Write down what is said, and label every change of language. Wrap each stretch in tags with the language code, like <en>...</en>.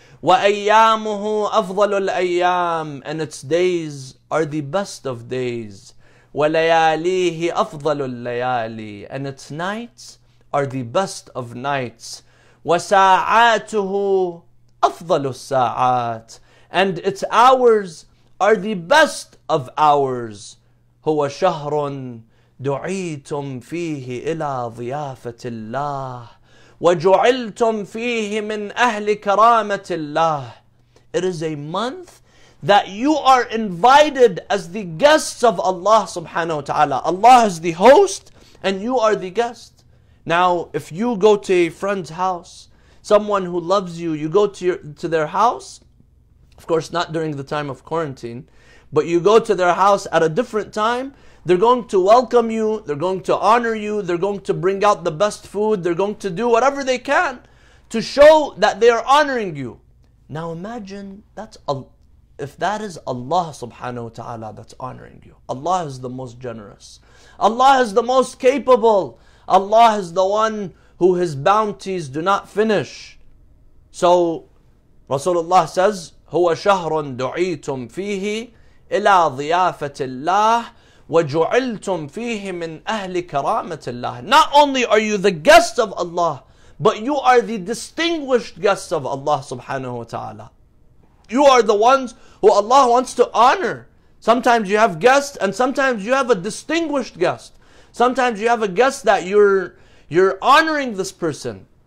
<ar>وَأَيَّامُهُ أَفْضَلُ الْأَيَّامِ,</ar> <en>and its days are the best of days.</en> <ar>وَلَيَالِيهِ أَفْضَلُ الْلَيَالِي,</ar> <en>and its nights are the best of nights.</en> <ar>وَسَاعَاتُهُ أَفْضَلُ السَّاعَاتِ,</ar> <en>and its hours are the best of hours.</en> <ar>هو شهر دعيتم فيه إلى ضيافة الله وجعلتم فيه من أهل كرامة الله.</ar> <en>It is a month that you are invited as the guests of Allah subhanahu wa ta'ala. Allah is the host and you are the guest. Now, if you go to a friend's house, someone who loves you, you go to their house, of course not during the time of quarantine, but you go to their house at a different time, they're going to welcome you, they're going to honor you, they're going to bring out the best food, they're going to do whatever they can to show that they are honoring you. Now imagine if that is Allah subhanahu wa ta'ala that's honoring you. Allah is the most generous. Allah is the most capable. Allah is the one who his bounties do not finish. So Rasulullah says,</en> <ar>هُوَ شَهْرٌ دُعِيتُمْ فِيهِ إِلَىٰ ضِيَافَةِ اللَّهِ وَجُعِلْتُمْ فِيهِ مِنْ أَهْلِ كَرَامَةِ اللَّهِ.</ar> <en>Not only are you the guests of Allah, but you are the distinguished guests of Allah subhanahu wa ta'ala. You are the ones who Allah wants to honor. Sometimes you have guests and sometimes you have a distinguished guest. Sometimes you have a guest that you're honoring this person.</en>